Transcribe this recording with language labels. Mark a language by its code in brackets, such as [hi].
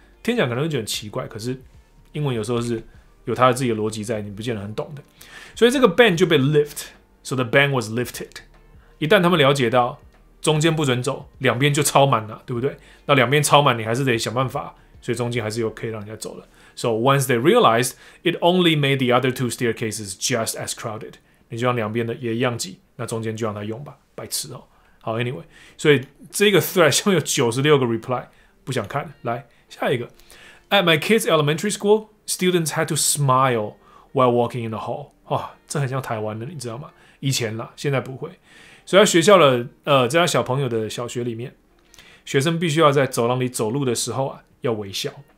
[zh] 听讲可能会觉得很奇怪，可是英文有时候是有它自己的逻辑在，你不见得很懂的。所以这个 ban 就被 lift， [en] so the ban was lifted。 [zh] 一旦他们了解到中间不准走，两边就超满了，对不对？那两边超满，你还是得想办法，所以中间还是有可以让人家走了。 [en] So once they realized, it only made the other two staircases just as crowded. [zh] 你就让两边的也一样挤，那中间就让他用吧，白痴哦。好 ，anyway， 所以这个 thread 下面有96个 reply， 不想看。来下一个 [en] ，At my kids' elementary school, students had to smile while walking in the hall. [zh] 哇、哦，这很像台湾的，你知道吗？以前啦，现在不会。所以在学校的这家小朋友的小学里面，学生必须要在走廊里走路的时候啊，要微笑。